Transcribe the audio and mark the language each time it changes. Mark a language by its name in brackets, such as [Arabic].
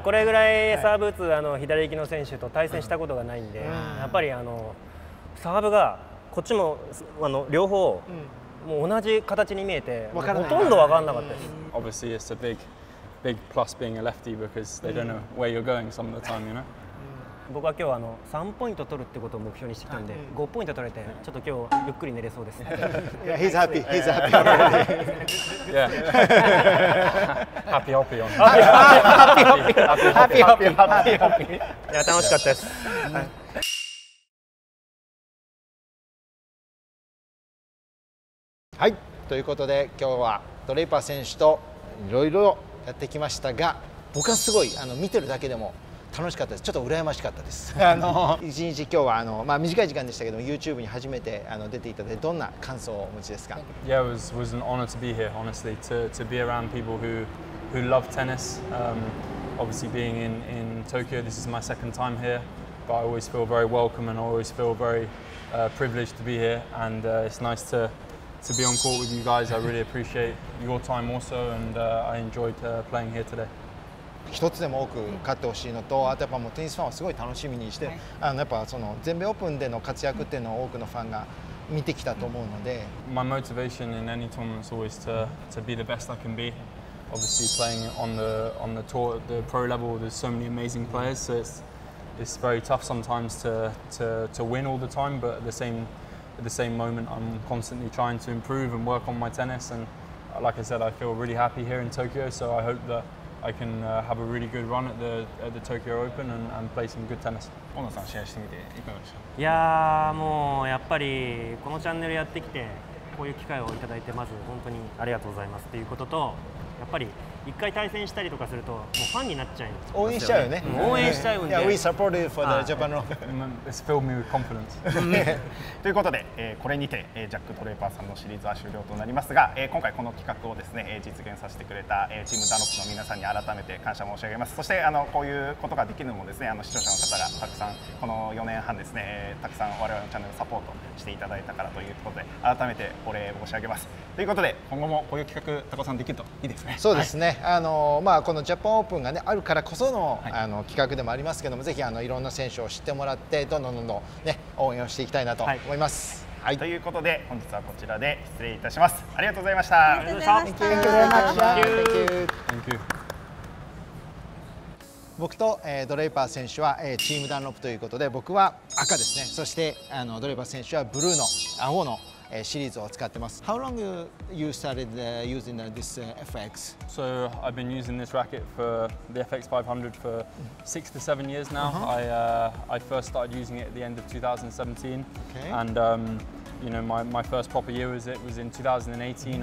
[Japanese] これぐらいサーブ打つ左利きの選手と対戦したことがないんで、やっぱりサーブがこっちも両方もう同じ形に見えて、ほとんど分からなかったです。 [English] Obviously, it's a big, big plus being a lefty because they don't know where you're going some of the time, you know? [Japanese] 僕は今日3ポイント取るってことを目標にしてきたんで、5ポイント取れて、ちょっと今日ゆっくり寝れそうです。 [English] Yeah, he's happy. He's happy already. Yeah. Happy hoppy on. Happy hoppy. Happy hoppy. [Japanese] いや、楽しかったです。はい、ということで今日はドレイパー選手といろいろやってきましたが、僕はすごい見てるだけでも楽しかったです。ちょっと羨ましかったです。一日今日は短い時間でしたけども、 YouTube に初めて出ていただいて、どんな感想をお持ちですか？ [English] Yeah, it was an honor to be here, honestly, to be around people who love tennis. Obviously being in Tokyo, this is my second time here, but I always feel very welcome and I always feel very privileged to be here, and it's nice to be on court with you guys. I really appreciate your time also, and I enjoyed playing here today. [Japanese] 一つでも多く勝ってほしいのと、あとやっぱもうテニスファンはすごい楽しみにして、やっぱその全米オープンでの活躍っていうのを多くのファンが見てきたと思うので。 [English] My motivation in any tournament is always to be the best I can be. Obviously, playing on the tour, the pro level, there's so many amazing players. So it's very tough sometimes to win all the time, but at the same moment, I'm constantly trying to improve and work on my tennis. And like I said, I feel really happy here in Tokyo. So I hope that I can have a really good run at the Tokyo Open and play some good tennis. [Japanese] 小野さん、試合してみていかがでしょう？いやもうやっぱりこのチャンネルやってきて、こういう機会をいただいて、まず本当にありがとうございますということと、やっぱり一回対戦したりとかするともうファンになっちゃいますよ、ね、応援しちゃうよね、応援しちゃうんで、 [English] Yeah, we support you for the Japan Open. It's filled me with confidence. [Japanese] ということで、これにてジャック・トレイパーさんのシリーズは終了となりますが、今回この企画をですね、実現させてくれたチームダノックの皆さんに改めて感謝申し上げます。そしてこういうことができるのもですね、視聴者の方がたくさんこの4年半ですね、たくさん我々のチャンネルをサポートしていただいたからということで、改めてお礼申し上げます。ということで、今後もこういう企画たくさんできるといいですね。そうですね、はい、このジャパンオープンが、ね、あるからこそ の、はい、企画でもありますけども、ぜひいろんな選手を知ってもらって、どんどん、ね、応援をしていきたいなと思います、はいはい、ということで本日はこちらで失礼いたします。ありがとうございました。ありがとうございました。 [English] Thank you. [Japanese] 僕と、ドレイパー選手は、チームダンロップということで、僕は赤ですね、そしてドレイパー選手はブルーの青のシリーズを使ってます。 [English] How long you started using this FX? So I've been using this racket for the FX 500 for 6 to 7 years now. I first started using it at the end of 2017. Okay. And my first proper year was in 2018.